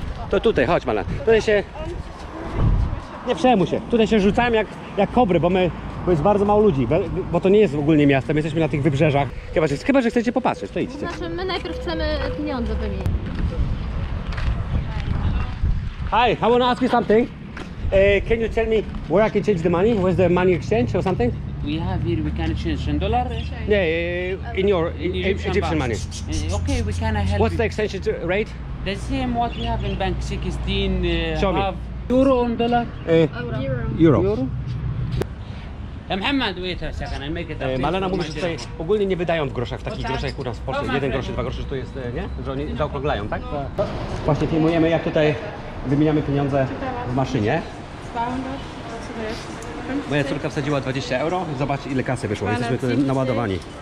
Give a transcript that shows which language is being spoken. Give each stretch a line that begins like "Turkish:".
Polish: To tutaj, chodź Malan. Tutaj się... Nie przejmuj się. Tutaj się rzucałem jak kobry, bo jest bardzo mało ludzi. Bo to nie jest ogólnie miasto, my jesteśmy na tych wybrzeżach. Chyba że chcecie popatrzeć, to idźcie. Znaczy, my najpierw chcemy pieniądze wymienić.
English: Hi, I want to ask you something. Can you tell me where I can change the money? Where's the money exchange or something? We have here, we can change in dollar. Yeah, in your Egyptian money. Okay, we can help. What's the exchange rate? The same what we have in bank 16. Show me. Euro on dollar? Euro. Euro. Mohamed, wait a second, I make it up.
Polish: Malena mówi, że tutaj ogólnie nie wydają w groszach, w takich groszach jak u nas w Polsce. Jeden groszy, dwa grosze, że to jest, nie? Że oni zaokrąglają, tak? Właśnie filmujemy, jak tutaj wymieniamy pieniądze w maszynie. Moja córka wsadziła 20 euro. Zobacz, ile kasy wyszło. Jesteśmy tutaj naładowani.